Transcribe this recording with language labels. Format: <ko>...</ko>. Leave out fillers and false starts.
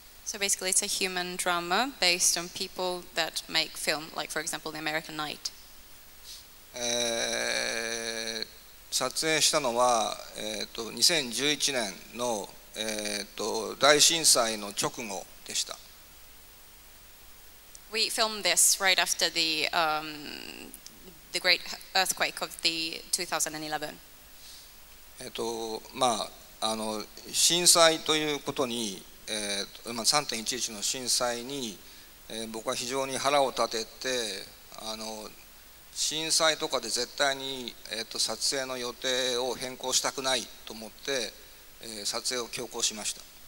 <en>So basically it's a human drama based on people that make film, like for example The American Night.</en> <ja>撮影したのは、2011年の、大震災の直後でした。</ja> <en>We filmed this right after the,、the great earthquake of the 2011.</en> <ja>まあ、震災ということに3.11 の震災に僕は非常に腹を立てて、震災とかで絶対に撮影の予定を変更したくないと思って撮影を強行しました。</ja>